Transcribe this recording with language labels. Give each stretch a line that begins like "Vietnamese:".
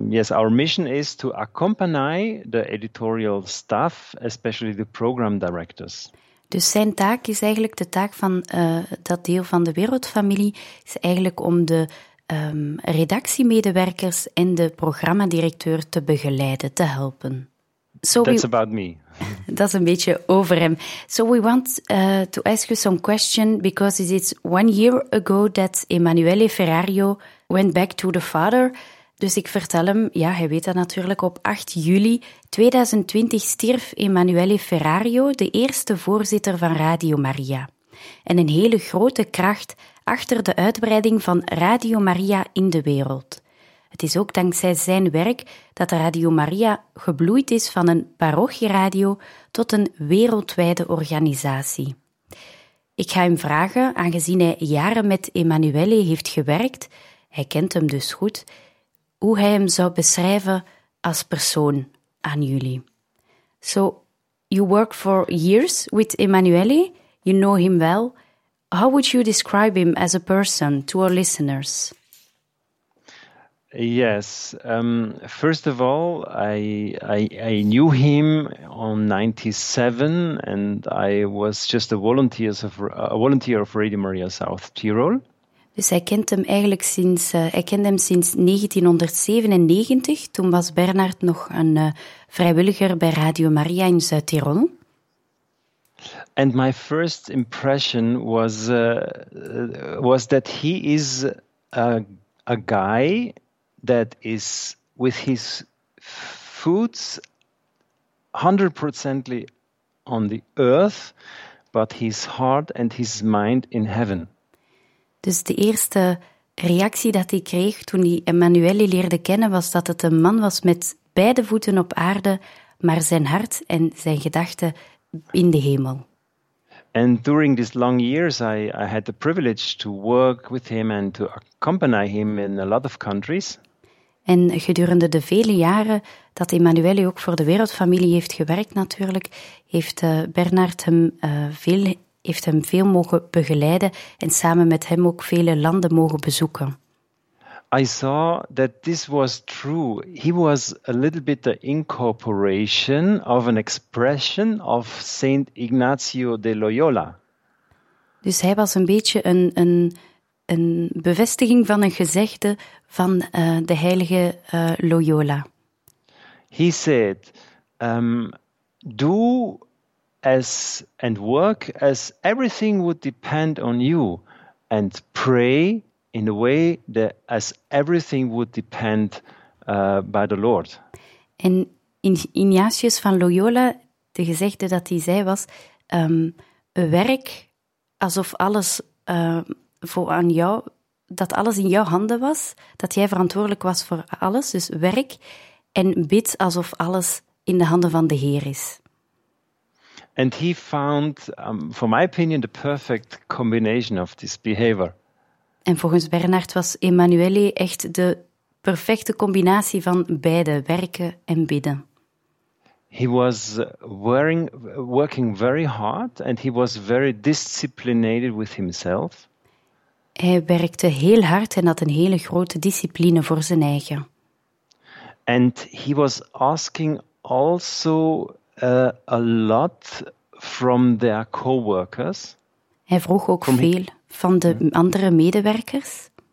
English: Our mission is to accompany the editorial staff, especially the program directors.
Dutch: Dus zijn taak is eigenlijk de taak van dat deel van de Wereldfamilie, is eigenlijk om de redactiemedewerkers en de programmadirecteur te begeleiden, te helpen. Dat is een beetje over hem.
English: So we want to ask you some question, because it's 1 year ago that Emanuele Ferrario went back to the father.
Dutch: Dus ik vertel hem, ja, hij weet dat natuurlijk, op 8 juli 2020 stierf Emanuele Ferrario, de eerste voorzitter van Radio Maria. En een hele grote kracht achter de uitbreiding van Radio Maria in de wereld. Het is ook dankzij zijn werk dat Radio Maria gebloeid is van een parochieradio tot een wereldwijde organisatie. Ik ga hem vragen, aangezien hij jaren met Emanuele heeft gewerkt, hij kent hem dus goed, hoe hij hem zou beschrijven als persoon aan jullie.
English: So, you work for years with Emanuele, you know him well. How would you describe him as a person to our listeners? Yes, first of all, I knew him on 97, and I was just a volunteer of Radio Maria South Tyrol.
Dutch: Dus hij kent hem eigenlijk sinds, hij kent hem sinds 1997. Toen was Bernard nog een vrijwilliger bij Radio Maria in Zuid-Tirol.
English: And my first impression was that he is a guy that is with his foots 100% on the earth, but his heart and his mind in heaven.
Dutch: Dus de eerste reactie dat hij kreeg toen hij Emmanuele leerde kennen was dat het een man was met beide voeten op aarde, maar zijn hart en zijn gedachten in de hemel.
English: And during these long years, I had the privilege to work with him and to accompany him in a lot of countries.
Dutch: En gedurende de vele jaren dat Emmanuele ook voor de wereldfamilie heeft gewerkt natuurlijk, heeft Bernard hem veel mogen begeleiden en samen met hem ook vele landen mogen bezoeken.
English: I saw that this was true. He was a little bit the incorporation of an expression of Saint Ignacio de Loyola.
Dutch: Dus hij was een beetje een bevestiging van een gezegde van de heilige Loyola.
English: He said, do as and work as everything would depend on you, and pray in a way that as everything would depend by the Lord.
Dutch: En in Ignatius van Loyola, de gezegde dat hij zei was, werk alsof alles voor aan jou, dat alles in jouw handen was, dat jij verantwoordelijk was voor alles, dus werk, en bid alsof alles in de handen van de Heer is.
English: And he found, for my opinion, the perfect combination of this behavior.
Dutch: En volgens Bernard was Emmanuele echt de perfecte combinatie van beide, werken en bidden.
English: He was working very hard and he was very disciplined with himself.
Dutch: Hij werkte heel hard en had een hele grote discipline voor zijn eigen.
English: And he was asking also a lot from their co-workers.
Dutch: Hij vroeg ook veel van de andere medewerkers.